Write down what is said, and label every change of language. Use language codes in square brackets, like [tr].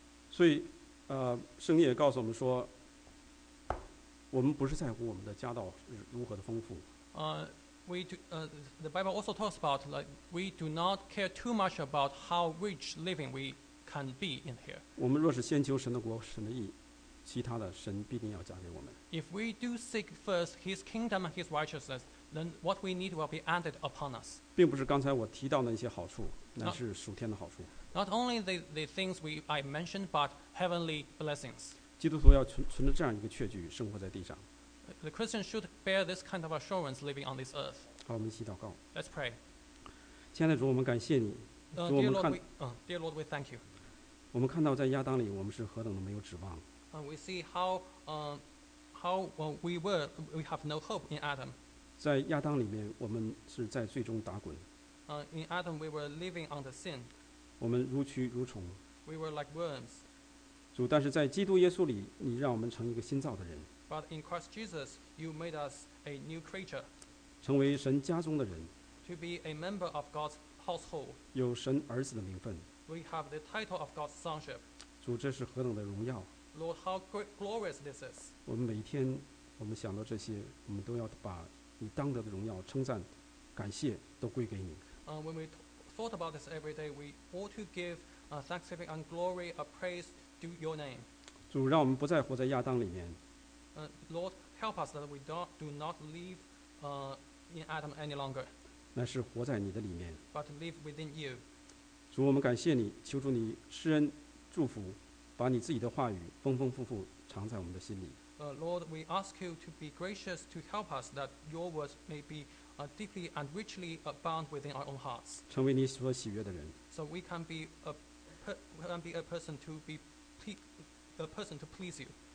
[zh] 所以，圣经也告诉我们说，我们不是在乎我们的家道如何的丰富。 [en] The Bible also talks about like we do not care too much about how rich living we. Can be in here. [zh] 我们若是先求神的国、神的义，其他的神必定要加给我们。 [en] If we do seek first His kingdom and His righteousness, then what we need will be added upon us. [zh] 并不是刚才我提到的一些好处，乃是属天的好处。 [en] Not only the things I mentioned, but heavenly blessings. [zh] 基督徒要存着这样一个确据，生活在地上。 [en] The Christian should bear this kind of assurance living on this earth. [zh] 好，我们一起祷告。 [en] Let's pray. [zh] 亲爱的主，我们感谢你。 [en] Dear Lord, we thank you. [zh] 我们看到在亚当里，我们是何等的没有指望。 [en] We see how we have no hope in Adam. [zh] 在亚当里面，我们是在最终打滚。 [en] In Adam, we were living under sin. [zh] 我们如蛆如虫。 [en] We were like worms. [zh] 主，但是在基督耶稣里，你让我们成一个新造的人。 [en] But in Christ Jesus, you made us a new creature. [zh] 成为神家中的人。 [en] To be a member of God's household. [zh] 有神儿子的名分。 [en] We have the title of God's sonship. [zh] 主，这是何等的荣耀。 [en] Lord, how great glorious this is. [zh] 我们每一天，我们想到这些，我们都要把你当得的荣耀、称赞、感谢都归给你。 [en] When we thought about this every day, we ought to give thanksgiving and glory a praise to your name. [zh] 主，让我们不再活在亚当里面。 [en] Lord, help us that we do not live in Adam any longer. [zh] 乃是活在你的里面。 [en] But live within you. [zh] 主，我们感谢你，求主你施恩祝福，把你自己的话语丰丰富富藏在我们的心里。 [en] Lord, we ask you to be gracious to help us that your words may be deeply and richly abound within our own hearts. [zh] 成为你所喜悦的人。 [en] So we can be a person to please you.